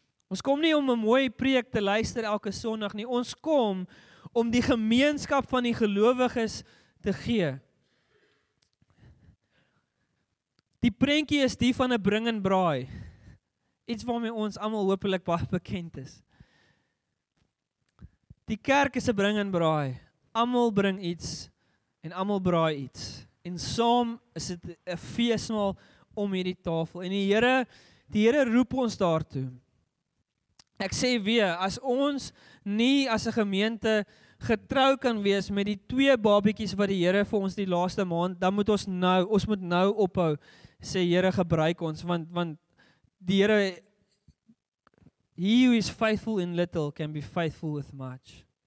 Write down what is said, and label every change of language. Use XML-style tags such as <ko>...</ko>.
<af>Ons kom nie om 'n mooi preek te luister elke Sondag nie. Ons kom om die gemeenskap van die gelowiges te gee. Die prentjie is die van 'n bring en braai. Iets waarmee ons allemaal hopelijk baie bekend is. Die kerk is 'n bring en braai. Allemaal bring iets en allemaal braai iets. En saam is dit 'n feestmaal om hierdie tafel. En die Here roep ons daartoe. Ek sê weer, as ons nie as 'n gemeente getrou kan wees met die twee babietjies wat die Here vir ons die laaste maand, dan moet ons moet nou ophou, sê Here, gebruik ons, want die Here,</af> <en>he who is faithful in little can be faithful with much.</en>